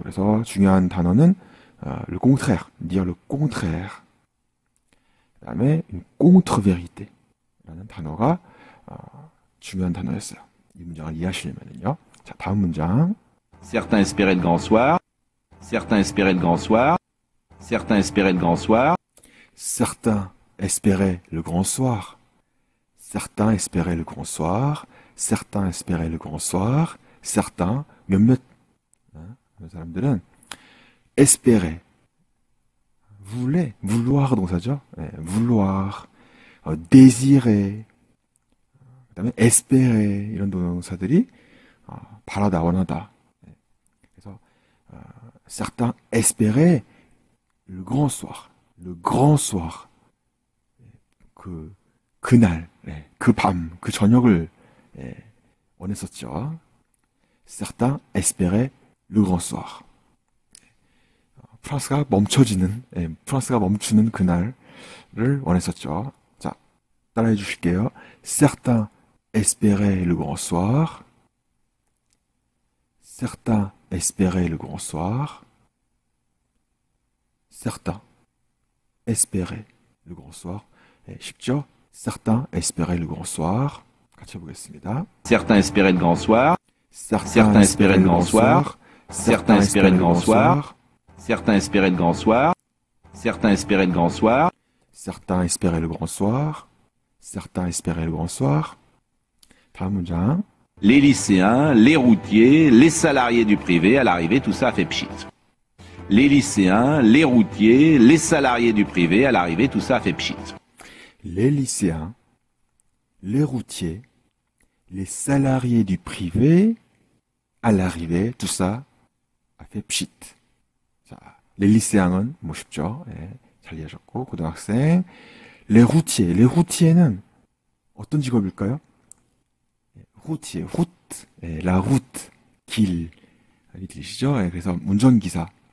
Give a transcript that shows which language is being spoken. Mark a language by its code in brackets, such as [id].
[ko] 그래서 중요한 단어는 [fr] le contraire, dire le contraire. [ko] 그 다음에 [fr] une contre-vérité [ko] 라는 단어가 중요한 단어였어요. 이 문장을 이해하시려면요. 자, 다음 문장. [fr] Certains espéraient le grand soir. Certains espéraient le grand soir. Certains espéraient le grand soir. Certains espéraient le grand soir. Certains espéraient le grand soir. Certains espéraient le grand soir. Certains, mieux les gens espéraient, voulaient, vouloir, donc ça dit, vouloir, désirer, espérer, il y a des parada, wanada. Certains espéraient le grand soir, le grand soir, que, [ko] 그날, 그 밤, 그 저녁을, 원했었죠. [fr] Certains espéraient le grand soir. [ko] 프랑스가 멈춰지는, 예, 프랑스가 멈추는 그날을 원했었죠. 자, 따라해 주실게요. [fr] Certains espéraient le grand soir. Certains espéraient le grand soir. Certains espéraient le grand soir. [ko] 예, 쉽죠? [fr] Certains espéraient le grand soir. [ko] 같이 해보겠습니다. [fr] Certains espéraient le grand soir. Certains espéraient le grand soir. Certains espéraient le grand soir. Certains espéraient le grand soir. Certains espéraient le grand soir. Certains espéraient le grand soir. Certains espéraient le grand soir. Les lycéens, les routiers, les salariés du privé, à l'arrivée, tout ça a fait pchit. Les lycéens, les routiers, les salariés du privé, à l'arrivée, tout ça a fait pchit. Les lycéens, les routiers, les salariés du privé, à l'arrivée, tout ça a fait pchit. [ko] 자, les lycéens은 뭐 쉽죠? 예, 잘 이해하셨고, 고등학생. Les routiers는 어떤 직업일까요? Routier, route, 예, la route, 길. 많이 들리시죠? 예, 그래서 운전기사.